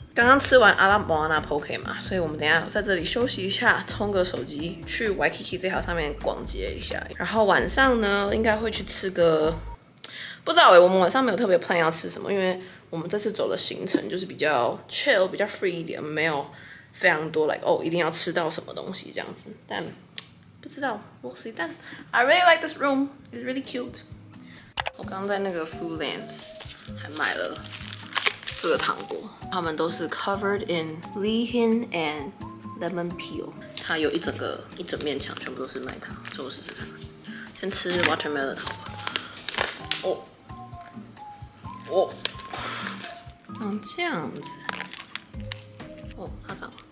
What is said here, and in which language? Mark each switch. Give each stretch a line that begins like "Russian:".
Chinese: 刚刚吃完阿拉莫阿纳 poke 嘛，所以我们等一下在这里休息一下，充个手机去 Waikiki 这条上面逛街一下，然后晚上呢应该会去吃个。不知道欸，我们晚上没有特别 plan 要吃什么，因为我们这次走的行程就是比较 chill， 比较 free 一点，没有非常多 like 哦一定要吃到什么东西这样子。但不知道
English: ，we'll see. 但 I really like this room. It's really cute.
Chinese: 我刚在那个 Foodlands 还买了这个糖果，它们都是
English: covered in lychee and lemon peel.
Chinese: 它有一整个一整面墙全部都是麦糖，所以我试试看。先吃 watermelon 好吧。哦，哦，长这样子。哦，它长。